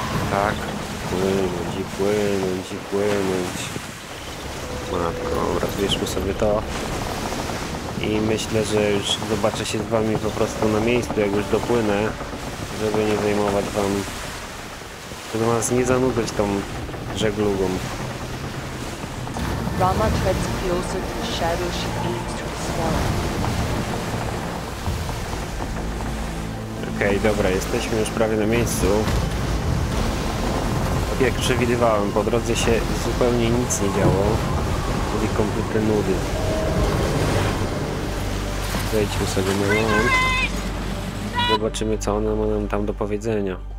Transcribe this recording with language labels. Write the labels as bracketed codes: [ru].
[pl] Tak, płynąć i płynąć i płynąć. Matko, rozbierzmy sobie to. I myślę, że już zobaczę się z wami po prostu na miejscu, jak już dopłynę. Żeby nie zajmować wam, żeby was nie zanudzać tą żeglugą. [en] Rama treads closer to the shadow she aims to expel. [pl] Okej, dobra, jesteśmy już prawie na miejscu. Jak przewidywałem, po drodze się zupełnie nic nie działo. W takie kompletne nudy. Wejdźmy sobie na łącz. Zobaczymy, co ona ma nam tam do powiedzenia.